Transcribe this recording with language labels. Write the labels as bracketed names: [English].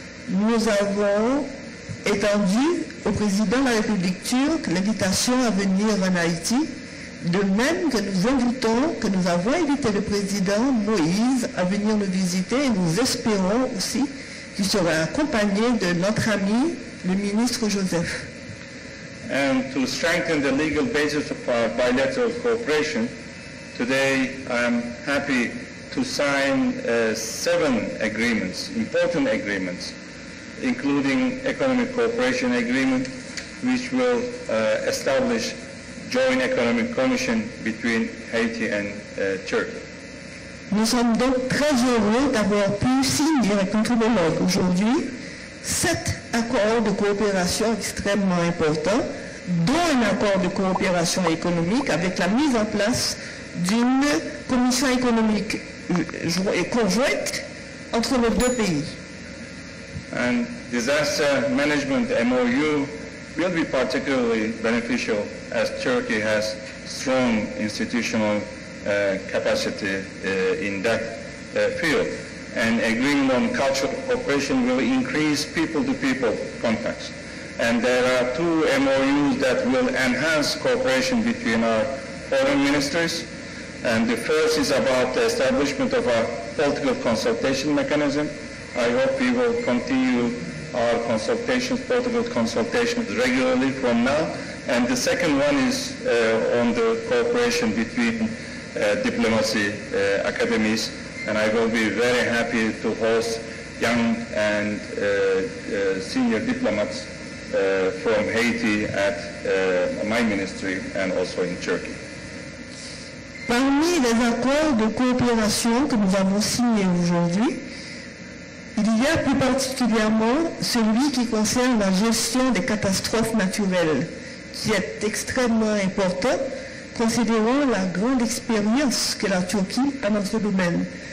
[French] Nous avons étendu au président de la République turque l'invitation à venir en Haïti, de même que nous invitons, que nous avons invité le président Moïse à venir nous visiter et nous espérons aussi qu'il sera accompagné de notre ami, le ministre Joseph. [English] And to strengthen the legal basis of our bilateral cooperation, today I am happy to sign 7 agreements, important agreements, including economic cooperation agreement, which will establish joint economic commission between Haiti and Turkey. [French] Nous sommes donc très heureux d'avoir pu signer avec notre homologue aujourd'hui 7 accords de coopération extrêmement importants, dont un accord de coopération économique avec la mise en place d'une commission économique conjointe entre nos deux pays. [English] And disaster management MOU will be particularly beneficial as Turkey has strong institutional capacity in that field. And agreement on cultural cooperation will increase people-to-people contacts. And there are 2 MOUs that will enhance cooperation between our foreign ministers. And the first is about the establishment of a political consultation mechanism. I hope we will continue our consultations, political consultations regularly from now. And the second one is on the cooperation between diplomacy academies. And I will be very happy to host young and senior diplomats from Haiti at my ministry and also in Turkey. [French] Parmi les accords de coopération que nous avons signés aujourd'hui, il y a plus particulièrement celui qui concerne la gestion des catastrophes naturelles, qui est extrêmement important, considérant la grande expérience que la Turquie a dans ce domaine.